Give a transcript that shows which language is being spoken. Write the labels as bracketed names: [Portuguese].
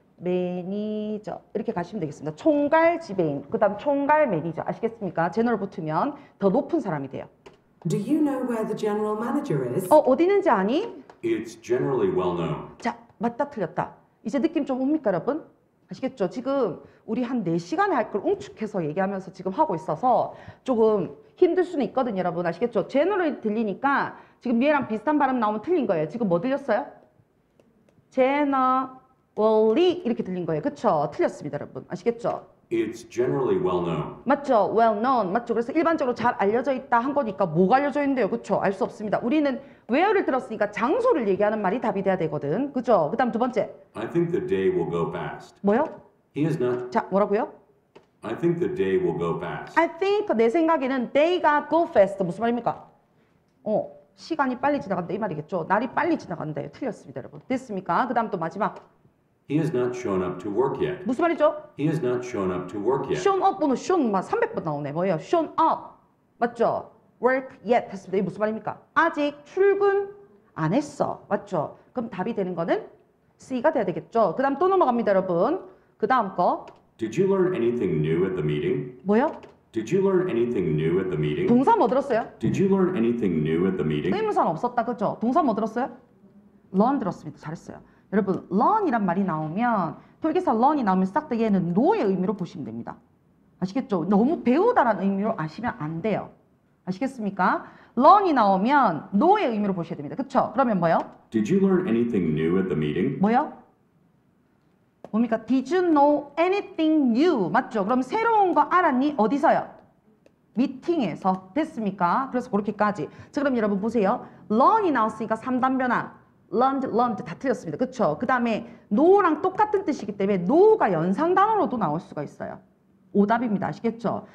[Korean] 매니저 이렇게 가시면 되겠습니다. 총괄 지배인 그 다음 총괄 매니저 아시겠습니까? 제너럴 붙으면 더 높은 사람이 돼요. [English] Do you know where the general manager is? [Korean] 어디 있는지 아니? [English] It's generally well known. [Korean] 자 맞다 틀렸다. 이제 느낌 좀 옵니까 여러분? 아시겠죠? 지금 우리 한 4시간에 할 걸 응축해서 얘기하면서 지금 하고 있어서 조금 힘들 수는 있거든요 여러분 아시겠죠? 제너럴이 들리니까 지금 얘랑 비슷한 발음 나오면 틀린 거예요. 지금 뭐 들렸어요? 제너럴이 이렇게 들린 거예요. 그렇죠? 틀렸습니다 여러분 아시겠죠? [English] It's generally well known. [Korean] 맞죠? [English] Well known 맞죠? [Korean] 그래서 일반적으로 잘 알려져 있다 한 거니까 뭐가 알려져 있는데요? 그렇죠? 알 수 없습니다. 우리는 where를 들었으니까 장소를 얘기하는 말이 답이 돼야 되거든. 그렇죠? 그 다음 두 번째 [English] I think the day will go fast. [Korean] 뭐요? [English] He is not [Korean] 자 뭐라고요? [English] I think the day will go fast. I think [Korean] 내 생각에는 day가 go fast 무슨 말입니까? 시간이 빨리 지나간다 이 말이겠죠? 날이 빨리 지나간다 틀렸습니다 여러분 됐습니까? 그 다음 또 마지막 [English] He has not shown up to work yet. [Korean] 무슨 말이죠? [English] He has not shown up to work yet. [Korean] shown up 오늘 shown 막 300번 나오네 뭐예요? [English] shown up 맞죠? work yet [Korean] 했습니다 이게 무슨 말입니까? 아직 출근 안 했어 맞죠? 그럼 답이 되는 거는 C가 돼야 되겠죠? 그 다음 또 넘어갑니다 여러분 그 다음 거 [English] Did you learn anything new at the meeting? [Korean] 뭐요? [English] Did you learn anything new at the meeting? [Korean] 동사 뭐 들었어요? [English] Did you learn anything new at the meeting? [Korean] 의문사는 없었다 그죠? 동사 뭐 들었어요? learn 들었습니다 잘했어요 여러분 learn이란 말이 나오면 토익에서 learn이 나오면 싹 다 얘는 know의 의미로 보시면 됩니다 아시겠죠? 너무 배우다라는 의미로 아시면 안 돼요 아시겠습니까? learn이 나오면 know의 의미로 보셔야 됩니다 그쵸? 그러면 뭐요? [English] Did you learn anything new at the meeting? [Korean] 뭐요? 뭡니까? [English] Did you know anything new? [Korean] 맞죠? 그럼 새로운 거 알았니? 어디서요? 미팅에서 됐습니까? 그래서 그렇게까지 자 그럼 여러분 보세요 learn이 나왔으니까 3단 변화 lumped, lumped 다 틀렸습니다. 그렇죠? 그 다음에 no랑 똑같은 뜻이기 때문에 no가 연상 단어로도 나올 수가 있어요. 오답입니다. 아시겠죠?